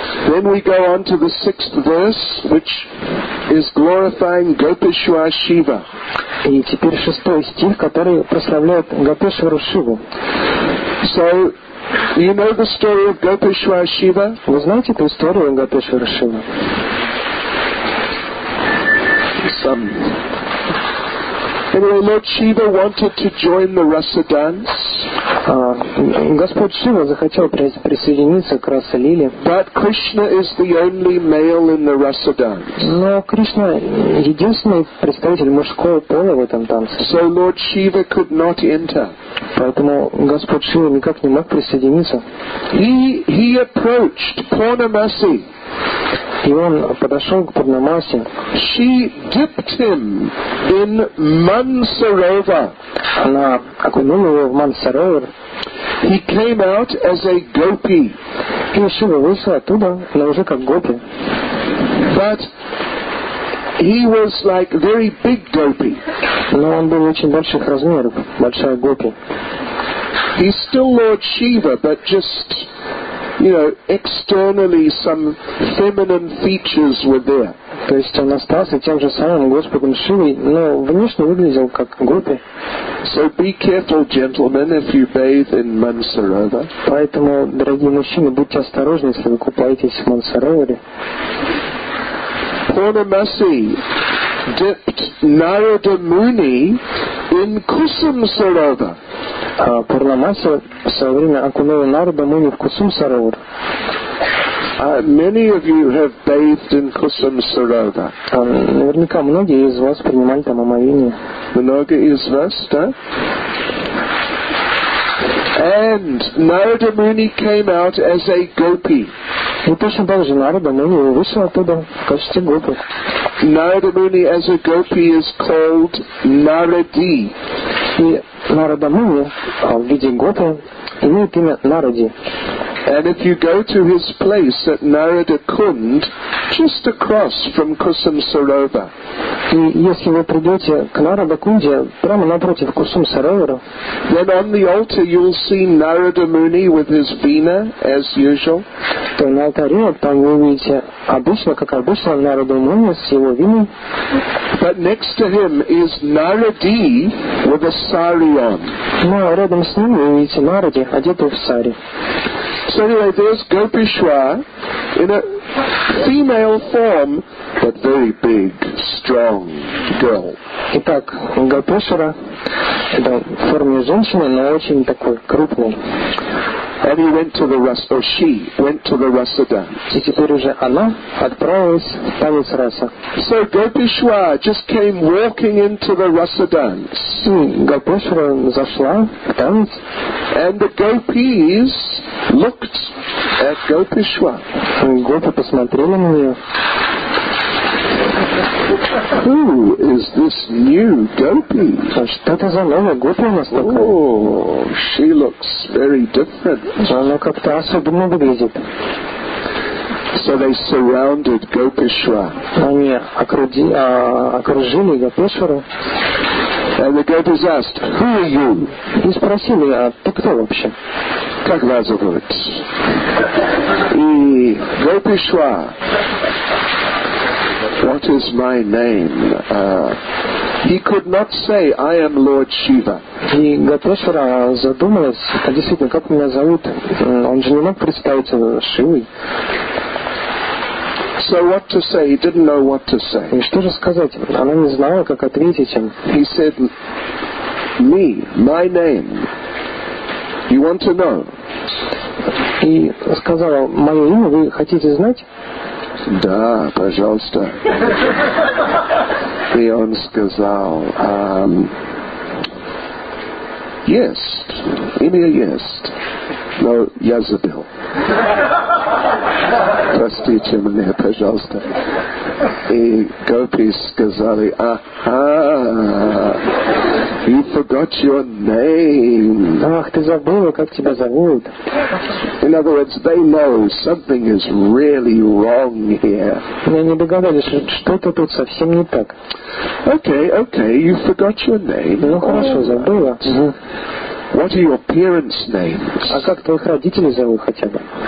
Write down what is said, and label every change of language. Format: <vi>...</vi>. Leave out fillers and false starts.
<en>Then we go on to the sixth verse, which is glorifying Gopeshwar Shiva.</en> <ru>И теперь шестой стих, который прославляет Гопешвару Шиву.</ru> <en>So, you know the story of Gopeshwar Shiva?</en> <ru>Вы знаете эту историю Гопешвара Шивы?</ru> <en>Some. Anyway, Lord Shiva wanted to join the Rasa dance.</en> <ru>Господь Шива захотел присоединиться к Раса Лиле.</ru> <en>But Krishna is the only male in the Rasa dance.</en> <ru>Но Кришна единственный представитель мужского пола в этом танце.</ru> <en>So Lord Shiva could not enter.</en> <ru>Поэтому Господь Шива никак не мог присоединиться.</ru> <en>He approached Purnamasi.</en> <ru>И он подошел к Пурнамасе.</ru> <en>She dipped him in Mansarovar.</en> <ru>Она окунула его в Мансаровар.</ru> <en>He came out as a gopi.</en> <ru>И Шива вышел оттуда, но уже как гопи.</ru> <en>But he was like very big gopi.</en> <ru>Но он был очень больших размеров, большая гопи.</ru> <en>He's still Lord Shiva, but just, you know, externally some feminine features were there.</en> <ru>То есть он остался тем же самым Господом Шивой, но внешне выглядел как гопи.</ru> <en>So be careful, gentlemen, if you bathe in Mansarovar.</en> <ru>Поэтому, дорогие мужчины, будьте осторожны, если вы купаетесь в Мансароваре.</ru> <en>Purnamasi dipped Narada Muni in Kusum Sarovar.</en> <ru>Пурнамаса в свое время окунула Нарада Муни в Кусум Саровар. Many of you have bathed in Kusum Sarovar. Наверняка многие из вас принимали там омовение. Многие из вас, да?</ru> <en>And Narada Muni came out as a gopi.</en> <ru>И точно так же Нарада Муни вышел оттуда в качестве гопи.</ru> <en>Narada Muni as a gopi is called Naradi.</en> <ru>И Нарада Муни в виде гопи имеет имя Наради.</ru> <en>And if you go to his place at Narada Kund, just across from Kusum Sarovar.</en> <ru>И если вы придете к Нарада Кунде, прямо напротив Кусум Саровара,</ru> <en>then on the altar you'll see Narada Muni with his veena, as usual.</en> <ru>То на алтаре там вы увидите обычно, как обычно, Нарада Муни с его виной.</ru> <en>But next to him is Naradi with a sari on.</en> <ru>Но рядом с ним вы увидите Наради, одетого в сари.</ru> <en>So anyway, there's Gopeshwar in a female form, but very big, strong girl.</en> <ru>Итак, Гопешвара это в форме женщины, но очень такой крупный.</ru> <en>And he went to the Rasa, or she went to the Rasa dance.</en> <ru>И теперь уже она отправилась в танец Раса.</ru> <en>So Gopeshwar just came walking into the Rasa dance.</en> <ru>Гопешвара зашла в танец.</ru> <en>And the gopis looked at Gopeshwar.</en> <ru>Гопи посмотрели на нее.</ru> <en>Who is this new gopi?</en> <ru>Что это за новая гопи у нас такая?</ru> <en>Oh, she looks very different.</en> <ru>Она как-то особенно выглядит.</ru> <en>So they surrounded Gopeshwar.</en> <ru>Они окружили Гопешвару.</ru> <en>And the gopis asked, "Who are you?"</en> <ru>И спросили, а ты кто вообще? Как вас зовут? И Гопешвар.</ru> <en>What is my name? He could not say, "I am Lord Shiva."</en> <ru>И Гатешвара задумалась, а действительно, как меня зовут? Он же не мог представиться Шивой.</ru> <en>So what to say? He didn't know what to say.</en> <ru>И что же сказать? Она не знала, как ответить им.</ru> <en>He said, "Me, my name. You want to know?"</en> <ru>И сказала, мое имя вы хотите знать? Да, пожалуйста. И он сказал, есть, имя есть, но я забыл. Простите меня, пожалуйста. И гопи сказали, ага,</ru> <en>you forgot your name.</en> <ru>Ах, ты забыла, как тебя зовут.</ru> <en>In other words, they know something is really wrong here.</en> <ru>Мне не догадались, что-то тут совсем не так.</ru> <en>Okay, okay, you forgot your name.</en> <ru>Ну хорошо, забыла.</ru> <en>What are your parents' names?</en> <ru>А как твоих родителей зовут хотя бы?</ru>